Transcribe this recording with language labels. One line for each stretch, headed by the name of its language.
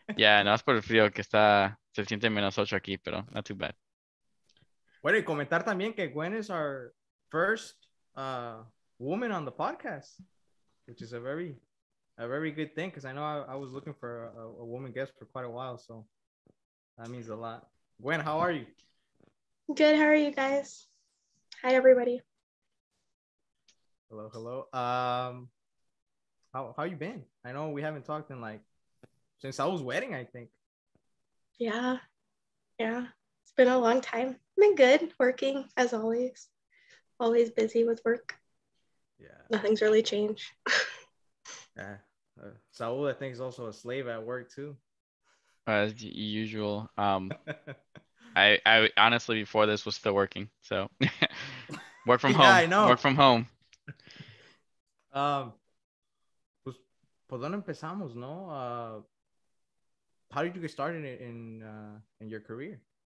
Spanish: Yeah, no es por el frío que está. Se siente menos 8 aquí, pero
English: not too bad.
Spanish: Bueno, y comentar también que Gwen es
English: our first woman on the podcast, which is a very good thing, because I know I was looking for a woman guest for quite a while, so that means a lot. Gwen, how are you? Good, how are you guys? Hi, everybody. Hello, hello. How you been? I know we haven't talked in like since Saul's wedding, I think. Yeah. It's been a long time. I've been good, working as always. Always busy with work. Yeah. Nothing's really changed. Yeah. Saul, I think, is also a slave at work too. As usual. I honestly before this was still working. So work from yeah, home. I know. Work from home.
Spanish: Pues, ¿por dónde empezamos, no?
English: How did you get started in your career?